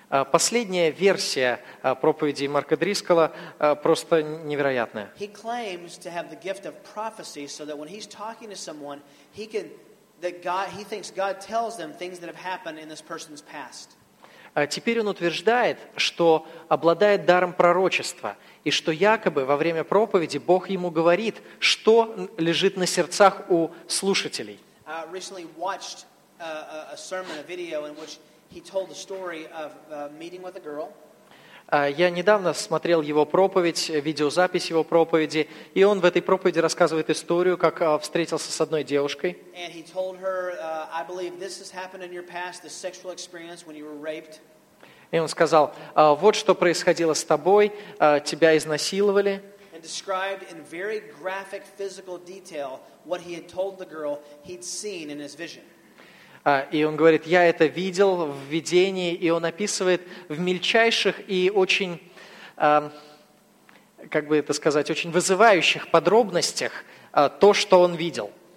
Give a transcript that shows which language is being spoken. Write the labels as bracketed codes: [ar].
[ru] Последняя версия проповеди Марка Дрискола просто невероятная. [en] He claims to have the gift of prophecy so that when he's talking to someone, he thinks God tells them things that have happened in this person's past. [ru] Теперь он утверждает, что обладает даром пророчества, и что якобы во время проповеди Бог ему говорит, что лежит на сердцах у слушателей. [en] I recently watched a sermon, a video in which he told the story of meeting with a girl. [ru] Я недавно смотрел его проповедь, видеозапись его проповеди, и он в этой проповеди рассказывает историю, как встретился с одной девушкой. [en] And he told her, I believe this has happened in your past, the sexual experience when you were raped. [ru] И он сказал, вот что происходило с тобой, тебя изнасиловали. [en] And described in very graphic physical detail what he had told the girl he'd seen in his vision. [ru] И он говорит, я это видел в видении, и он описывает в мельчайших и очень, как бы это сказать, очень вызывающих подробностях то, что он видел.